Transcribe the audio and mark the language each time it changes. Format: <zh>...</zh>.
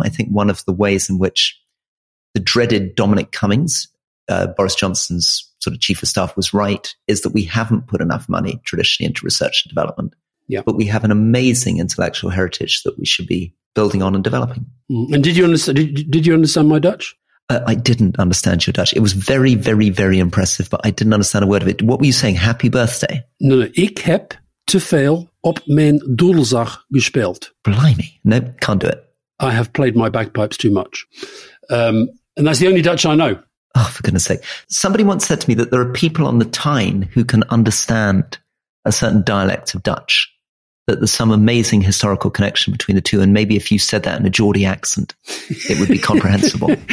<en>I think one of the ways in which the dreaded Dominic Cummings, Boris Johnson's sort of chief of staff, was right is that we haven't put enough money traditionally into research and development. Yeah. But we have an amazing intellectual heritage that we should be building on and developing. And did you understand my Dutch? I didn't understand your Dutch. It was very, very, very impressive, but I didn't understand a word of it. What were you saying? Happy birthday?</en> <nl>No, ik heb te veel op mijn doelzak gespeeld.</nl> <en>Blimey. No, can't do it. I have played my bagpipes too much. And that's the only Dutch I know. Oh, for goodness sake. Somebody once said to me that there are people on the Tyne who can understand a certain dialect of Dutch. that there's some amazing historical connection between the two. And maybe if you said that in a Geordie accent, it would be comprehensible.</en>